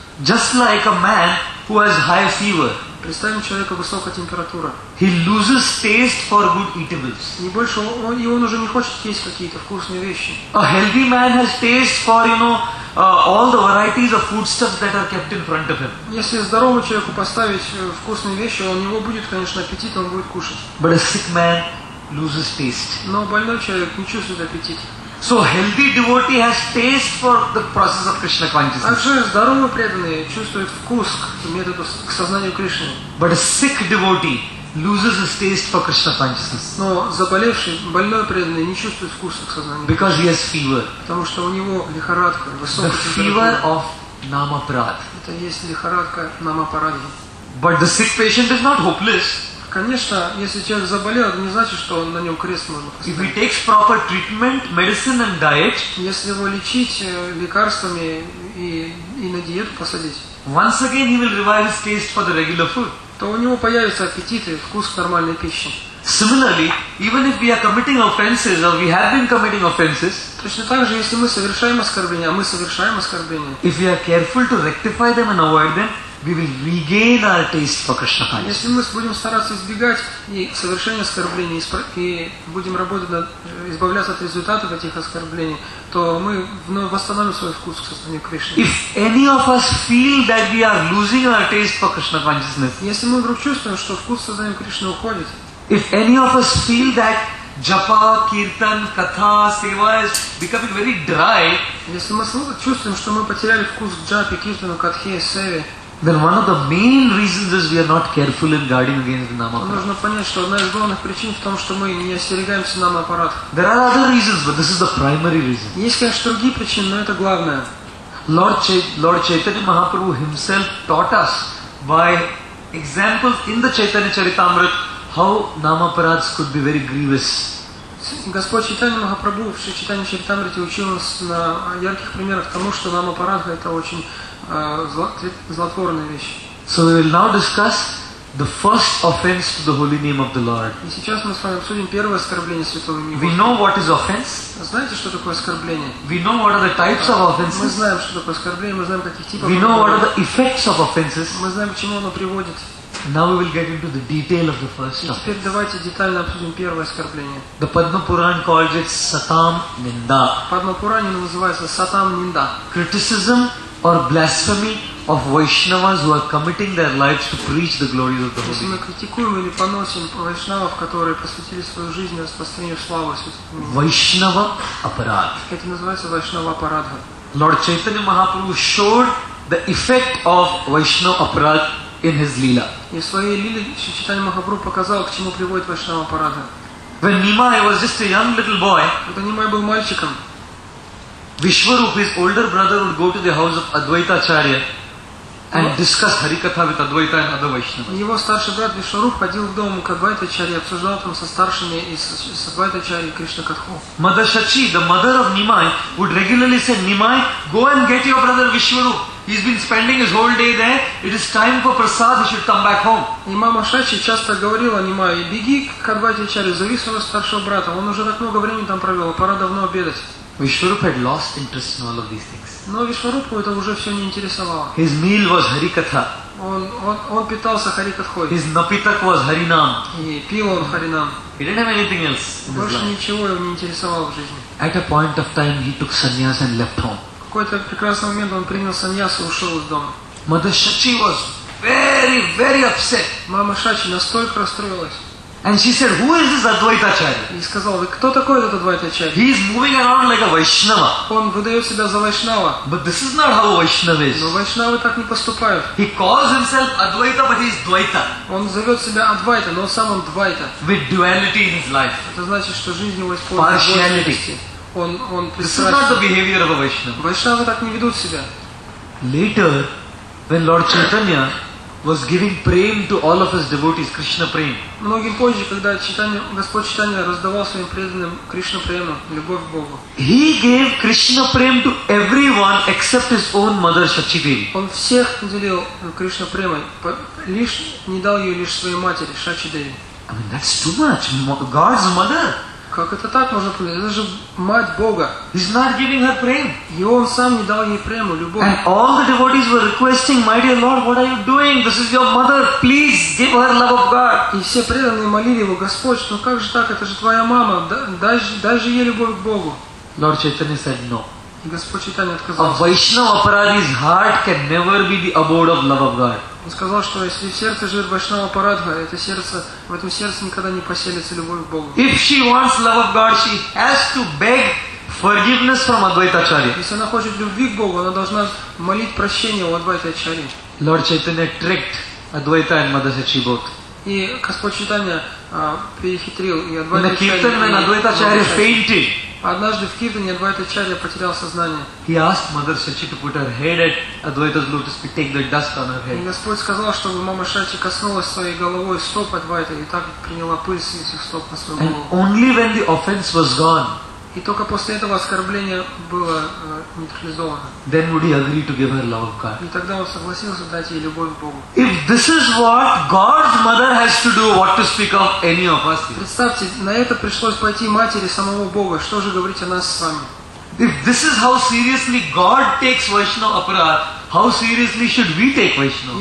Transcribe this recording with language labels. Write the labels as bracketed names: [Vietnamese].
[English] Just like a man who has high fever. [Russian] Представим человека высокой температуры. [English] He loses taste for good eatables. [Russian] Не больше, и он уже не хочет есть какие-то вкусные вещи. [English] A healthy man has taste for, you know, all the varieties of foodstuffs that are kept in front of him. [Russian] Если здоровому человеку поставить вкусные вещи, у него будет, конечно, аппетит, он будет кушать. [English] But a sick man loses taste. [Russian] Но больной человек не чувствует аппетит. [English] So healthy devotee has taste for the process of Krishna consciousness. [Russian] Также здоровый преданный чувствует вкус к методу к сознанию Кришны. [English] But a sick devotee loses his taste for Krishna consciousness. [Russian] Но заболевший, больной преданный не чувствует вкуса к сознанию. [English] Because he has fever. [Russian] Потому что у него лихорадка, высокая температура. [English] The fever of namaparad. [Russian] Это есть лихорадка namaparad. [English] But the sick patient is not hopeless. [Russian] Конечно, если человек заболел, это не значит, что он на нем крест можно поставить. [English] If he takes proper treatment, medicine and diet, [Russian] если его лечить лекарствами и на диету посадить, [English] once again he will revive his taste for the regular food. [Russian] То у него появится аппетит и вкус к нормальной пище. [English] Similarly, even if we are committing offenses or we have been committing offenses, [Russian] точно так же, если мы совершаем оскорбления, а мы совершаем оскорбления, [English] if we are careful to rectify them and avoid them, we will regain our taste for Krishna consciousness. [Russian] Если мы будем стараться избегать и совершения оскорблений и будем работать над избавляться от результатов этих оскорблений, то мы вновь восстановим свой вкус к сознанию Кришны. [English] If any of us feel that we are losing our taste for Krishna consciousness, [Russian] если мы вдруг чувствуем, что вкус к сознанию Кришны уходит, [English] if any of us feel that japa, kirtan, katha, seva is becoming very dry, [Russian] если мы чувствуем, что мы потеряли вкус к джапе, киртану, катхе, севе, [English] then one of the main reasons is we are not careful in guarding against namaparad. [Russian] Нужно понять, что одна из главных причин в том, что мы не остерегаемся намапарад. [English] There are other reasons, but this is the primary reason. [Russian] Есть, конечно, другие причины, но это главное. [English] Lord Chaitanya Mahaprabhu himself taught us by examples in the Chaitanya Charitamrita how namaparads could be very grievous. [Russian] Господь Чайтанья Махапрабху в Чайтанья Чаритамрите учил нас на ярких примерах тому, что намапарад это очень злотворная вещь. [English] So we will now discuss the first offense to the holy name of the Lord. [Russian] И сейчас мы с вами обсудим первое оскорбление святого имени. [English] We know what is offense. [Russian] Знаете, что такое оскорбление? [English] We know what are the types of offenses. [Russian] Мы знаем, что такое оскорбление, мы знаем, каких типов. [English] We know what are the effects of offenses. [Russian] Мы знаем, к чему оно приводит. [English] Now we will get into the detail of the first offense. [Russian] Теперь давайте детально обсудим первое оскорбление. [English] The Padma Puran calls it Satam Ninda. [Russian] Padma Puran называется Satam Ninda. [English] Criticism or blasphemy of Vaishnavas who are committing their lives to preach the glories of the Holy. [Russian] Мы критикуем или поносим вайшнавов, которые посвятили свою жизнь распространению славы Святого Имени. Вайшнава апарад. Это называется вайшнава апарадха. [English] Lord Chaitanya Mahaprabhu showed the effect of Vaishnava apparat in his lila. [Russian] И в своей лиле Шри Чайтанья Махапрабху показал, к чему приводит вайшнава апарадха. [English] When Nimai was just a young little boy, [Russian] когда Нимай был мальчиком, [English] Vishwarup, his older brother, would go to the house of Advaita Acharya and discuss Harikatha with Advaita and other Vaishnavas. [Russian] Его старший брат Вишварупа ходил в дом к Адвайта Ачарье, обсуждал там со старшими и с Адвайта Ачарьей Кришна Катху. [English] Mother Shachi, the mother of Nimai, would regularly say, Nimai, go and get your brother Vishwarupa. He's been spending his whole day there. It is time for prasad. He should come back home. [Russian] И мама Шачи часто говорила Нимай, беги к Адвайте Ачарье, зови своего старшего брата. Он уже так много времени там провел, пора давно обедать. [English] Vishwarupa had lost interest in all of these things. [Russian] Но Вишварупу это уже все не интересовало. [English] His meal was Harikatha. [Russian] Он питался Харикатхой. [English] His napitak was Harinam. [Russian] И пил он Харинам. [English] He didn't have anything else. [Russian] Больше ничего его не интересовало в жизни. [English] At a point of time, he took sannyas and left home. [Russian] В какой-то прекрасный момент он принял sannyas и ушел из дома. [English] Mother Shachi was very, very upset. [Russian] Мама Шачи настолько расстроилась. [English] And she said, "Who is this Advaita Acharya?" [Russian] И сказал, кто такой этот Advaita Acharya? [English] He is moving around like a Vaishnava. [Russian] Он выдает себя за Вайшнава. [English] But this is not how Vaishnava is. [Russian] Но Вайшнавы так не поступают. [English] He calls himself Advaita, but he is Dvaita. [Russian] Он зовет себя Advaita, но сам он Dvaita. [English] With duality in his life. [Russian] Это значит, что жизнь его [English] Partiality. [Russian] Он [English] This is not the behavior of a Vaishnava. [Russian] Вайшнавы так не ведут себя. [English] Later, when Lord Chaitanya was giving prema to all of his devotees, Krishna prema. [Russian] Многим позже, когда Господь Чайтанья раздавал своим преданным Кришна прему, любовь к Богу. [English] He gave Krishna prema to everyone except his own mother Шачи Деви. [Russian] Он всех наделил Кришна премой, лишь не дал ее лишь своей матери Шачи Деви. [English] I mean, that's too much. God's mother. [Russian] Как это так можно понять? Это же мать Бога. [English] He's not giving her prema. [Russian] И он сам не дал ей прему, любовь. [English] And all the devotees were requesting, "My dear Lord, what are you doing? This is your mother. Please give her love of God." [Russian] И все преданные молили его, Господь, ну как же так? Это же твоя мама. Дай же ей любовь к Богу. [English] Lord Chaitanya said no. [Russian] И Господь Чайтанья отказался. [English] A Vaishnava Paradhi's heart can never be the abode of love of God. [Russian] Он сказал, что если в сердце живет Вайшнава Парадха, это сердце, в этом сердце никогда не поселится любовь к Богу. [English] If she wants love of God, she has to beg forgiveness from Advaita Acharya. [Russian] Если она хочет любви к Богу, она должна молить прощение у Адвайты Ачарьи. [English] Lord Chaitanya tricked Advaita and Mother Shachi both. [Russian] И Господь Чайтанья перехитрил и [English] Адвайта Ачарьи. In the kirtan, Advaita Acharya fainted. [Russian] Однажды в Киртане Адвайта Ачарья потерял сознание. [English] He asked Mother Shachi to put her head at Advaita's lotus feet, take the dust on her head. [Russian] И Господь сказал, чтобы мама Шачи коснулась своей головой стоп Адвайты и так приняла пыль с этих стоп на свою голову. [English] And only when the offense was gone. [Russian] И только после этого оскорбление было нейтрализовано. [English] Then would he agree to give her love of God? [Russian] И тогда он согласился дать ей любовь к Богу. [English] If this is what God's mother has to do, what to speak of any of us? [Russian] Представьте, на это пришлось пойти матери самого Бога. Что же говорить о нас с вами? [English] If this is how seriously God takes Vaishnava aparadha, how seriously should we take Vaishnava?